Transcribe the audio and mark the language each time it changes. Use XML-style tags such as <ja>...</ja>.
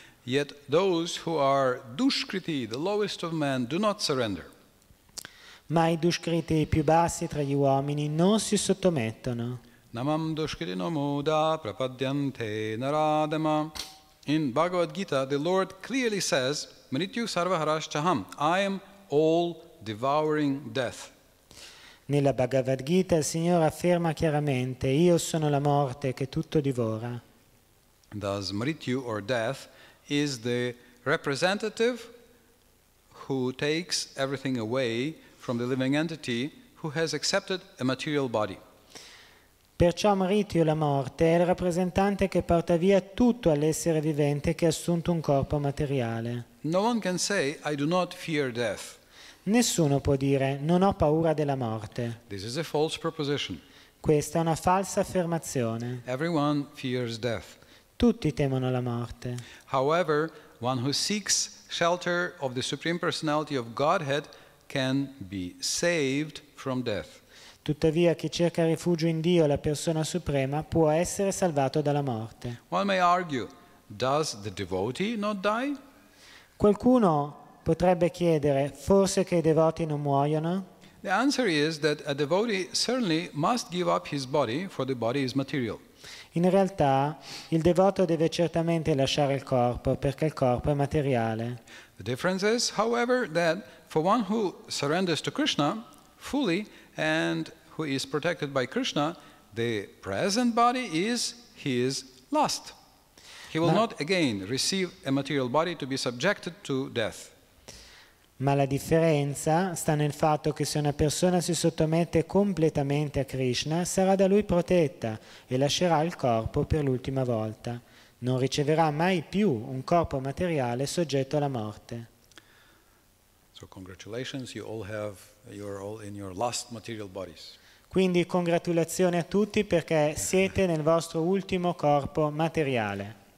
<en>Yet those who are Dushkriti, the lowest of men, do not surrender.</en> <it>Ma i Dushkriti più bassi tra gli uomini non si sottomettono.</it> <sa>Namam Dushkriti Namuda Prapadyante Naradama.</sa> <en>In Bhagavad Gita, the Lord clearly says,</en> <sa>Mrityu Sarvaharash Chaham,</sa> <en>I am all devouring death.</en> <it>Nella Bhagavad Gita, il Signore afferma chiaramente, io sono la morte che tutto divora.</it> <en>Thus, Mrityu or death is the representative who takes everything away from the living entity who has accepted a material body.</en> <it>Perciò Mrityu, la morte, è il rappresentante che porta via tutto all'essere vivente che ha assunto un corpo materiale.</it> <en>No one can say, I do not fear death.</en> <it>Nessuno può dire, non ho paura della morte.</it> <en>This is a false proposition.</en> <it>Questa è una falsa affermazione.</it> <en>Everyone fears death.</en> <it>Tutti temono la morte.</it> <en>However, one who seeks shelter of the Supreme Personality of Godhead can be saved from death.</en> <it>Tuttavia, chi cerca rifugio in Dio, la persona suprema, può essere salvato dalla morte.</it> <en>One may argue, does the devotee not die?</en> <it>Qualcuno potrebbe chiedere, forse che i devoti non muoiono?</it> <en>The answer is that a devotee certainly must give up his body, for the body is material.</en> <it>In realtà, il devoto deve certamente lasciare il corpo, perché il corpo è materiale.</it> <en>The difference is, however, that for one who surrenders to Krishna fully, and who is protected by Krishna, the present body is his last. He will not again receive a material body to be subjected to death.</en> <it>Ma la differenza sta nel fatto che se una persona si sottomette completamente a Krishna, sarà da lui protetta e lascerà il corpo per l'ultima volta. Non riceverà mai più un corpo materiale soggetto alla morte.</it> <en>So congratulations, you all have you're all in your last material bodies.</en> <it>Quindi congratulazioni a tutti perché siete nel vostro ultimo corpo materiale.</it>